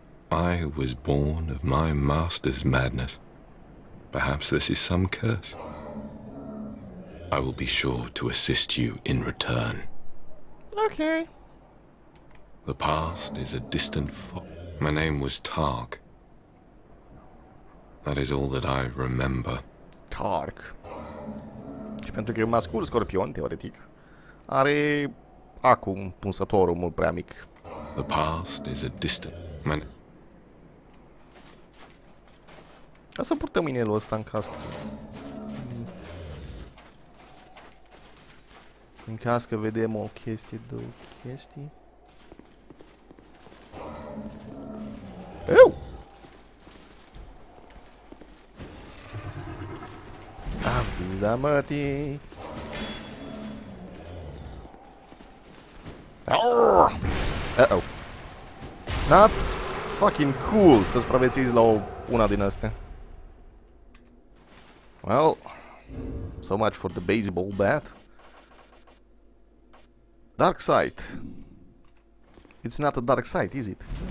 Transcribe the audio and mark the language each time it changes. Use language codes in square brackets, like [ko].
[en] I was born of my master's madness. Perhaps this is some curse. I will be sure to assist you in return. Okay. The past is a distant my name was Tark. That is all that I remember. Tark. [ro] Pentru că e un mascul scorpion, teoretic. Are acum punsătorul mult prea mic. [en] The past is a distant man. [ro] O să purtăm inelul ăsta în caz că... În caz că vedem o chestie, două chestii. Eu! Am pizda mătii. [en] Uh-oh. Not fucking cool [ro] să supraviețuiți la una din astea. [en] Well, so much for the baseball bat. Dark Sight. It's not a dark sight, is it?